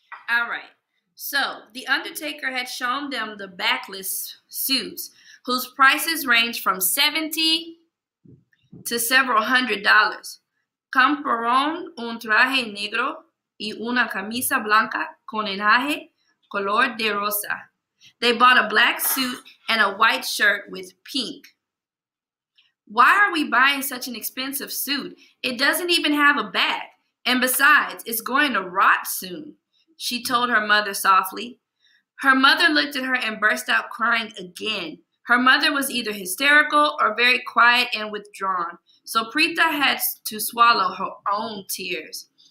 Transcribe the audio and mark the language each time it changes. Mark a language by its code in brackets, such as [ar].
[en] All right, so the undertaker had shown them the backless suits, whose prices range from $70 to several hundred dollars. [es] Compraron un traje negro y una camisa blanca con encaje color de rosa. [en] They bought a black suit and a white shirt with pink. Why are we buying such an expensive suit? It doesn't even have a back. And besides, it's going to rot soon, she told her mother softly. Her mother looked at her and burst out crying again. Her mother was either hysterical or very quiet and withdrawn, so Prita had to swallow her own tears.